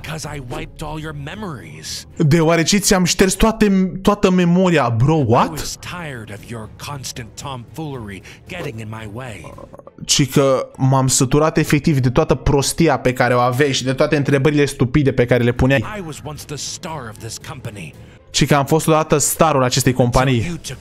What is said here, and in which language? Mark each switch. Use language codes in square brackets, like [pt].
[en] Because I wiped all your memories. [ro] Deoarece ți-am șters toată memoria, [en] bro, what? I was tired of your constant tomfoolery getting in my way. [ro] Ci că m-am săturat efectiv de toată prostia pe care o aveai și de toate întrebările stupide pe care le puneai. [en] I was once the star of this company. [ro] Ci că am fost odată starul acestei companii.